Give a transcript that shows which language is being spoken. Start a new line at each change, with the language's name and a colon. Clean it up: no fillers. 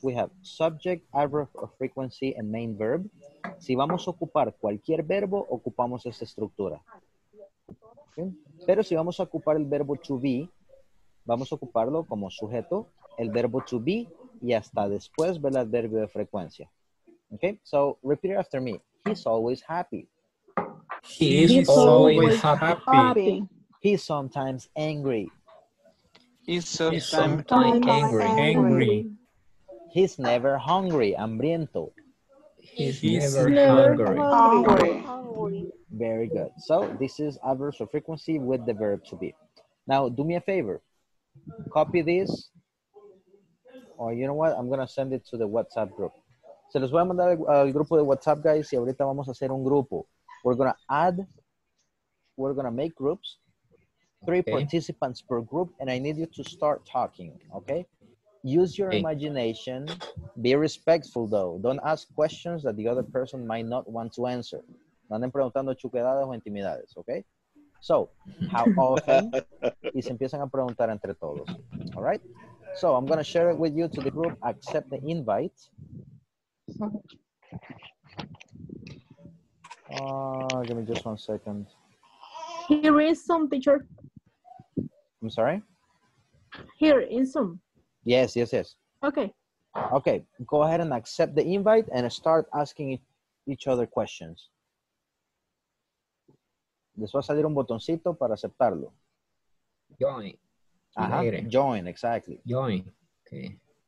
English: We have subject, adverb of frequency, and main verb.
Spanish: Si vamos a ocupar cualquier verbo, ocupamos esta estructura. Okay. Pero si vamos a ocupar el verbo to be, vamos a ocuparlo como sujeto, el verbo to be, y hasta después ver el adverbio de frecuencia.
English: Okay, so repeat it after me. He's always happy. He's always happy. He's sometimes angry. He's sometimes angry. He's never hungry, hambriento. He's never hungry. Very good. So this is adverbs of frequency with the verb to be. Now do me a favor. Copy this. Or you know what? I'm going to send it to the WhatsApp group.
Spanish: Se los voy a mandar al grupo de WhatsApp, guys. Y ahorita vamos a hacer un grupo.
English: We're going to make groups. Three participants per group. And I need you to start talking. Okay? Use your imagination. Be respectful, though. Don't ask questions that the other person might not want to answer.
Spanish: No anden preguntando chuquedades o intimidades, ¿ok?
English: So, how often?
Spanish: Y se empiezan a preguntar entre todos,
English: ¿all right? So, I'm going to share it with you to the group. Accept the invite. Give me just one second. Here is some, teacher. I'm sorry? Here in some. Yes, yes, yes. Okay. Okay, go ahead and accept the invite and start asking each other questions.
Spanish: Les va a salir un botoncito para aceptarlo.
English: Join. Ajá, join, exactly. Join, okay.